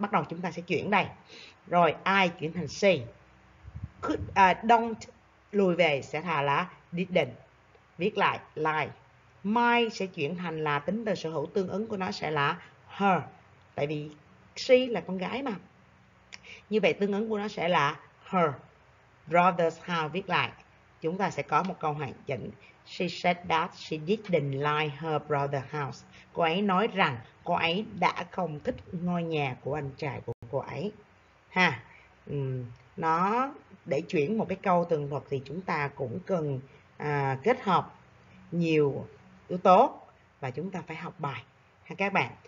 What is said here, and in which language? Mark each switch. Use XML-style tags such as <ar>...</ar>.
<vi>Bắt đầu chúng ta sẽ chuyển đây. Rồi I chuyển thành she. Could, don't lùi về sẽ thà là didn't. Viết lại like. My sẽ chuyển thành là tính từ sở hữu tương ứng của nó sẽ là her, tại vì she là con gái mà. Như vậy tương ứng của nó sẽ là</vi> <en>her brother's house.</en> <vi>Viết lại, chúng ta sẽ có một câu hoàn chỉnh.</vi> <en>She said that she didn't like her brother's house.</en> <vi>Cô ấy nói rằng cô ấy đã không thích ngôi nhà của anh trai của cô ấy. Ha, nó để chuyển một cái câu tường thuật thì chúng ta cũng cần kết hợp nhiều yếu tố và chúng ta phải học bài. Ha các bạn.</vi>